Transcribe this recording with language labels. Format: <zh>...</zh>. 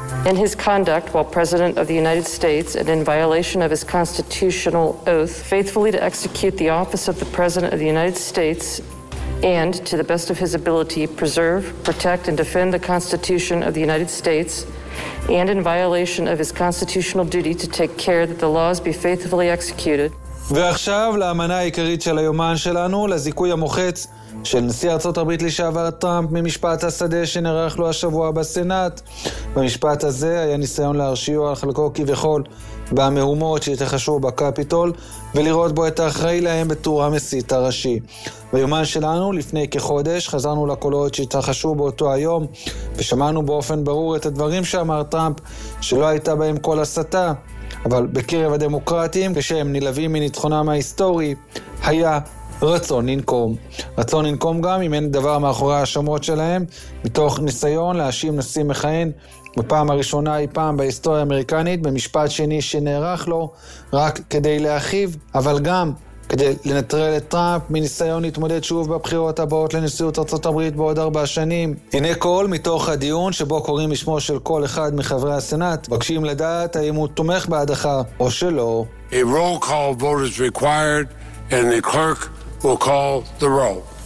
<en>In his conduct while President of the United States and in violation of his constitutional oath, faithfully to execute the office of the President of the United States and, to the best of his ability, preserve, protect, and defend the Constitution of the United States, and in violation of his constitutional duty to take care that the laws be faithfully executed.</en> <he>ועכשיו לאמנה העיקרית של היומן שלנו, לזיכוי המוחץ של נשיא ארצות הברית לשעבר טראמפ ממשפט השדה שנערך לו השבוע בסנאט. במשפט הזה היה ניסיון להרשיעו על חלקו כביכול במהומות שהתרחשו בקפיטול ולראות בו את האחראי להם בתור המסית הראשי. ביומן שלנו לפני כחודש חזרנו לקולות שהתרחשו באותו היום ושמענו באופן ברור את הדברים שאמר טראמפ שלא הייתה בהם כל הסתה. אבל בקרב הדמוקרטים, כשהם נלווים מניצחונם ההיסטורי, היה רצון לנקום. רצון לנקום גם אם אין דבר מאחורי השמות שלהם, מתוך ניסיון להאשים נשיא מכהן בפעם הראשונה אי פעם בהיסטוריה האמריקנית, במשפט שני שנערך לו, רק כדי להכיב, אבל גם כדי לנטרל את טראמפ מניסיון להתמודד שוב בבחירות הבאות לנשיאות ארצות הברית בעוד 4 שנים. הנה קול מתוך הדיון שבו קוראים בשמו של כל אחד מחברי הסנאט, בקשים לדעת האם הוא תומך בהדחה או שלא.</he> <en>A roll call vote is required and the clerk will call the roll.</en>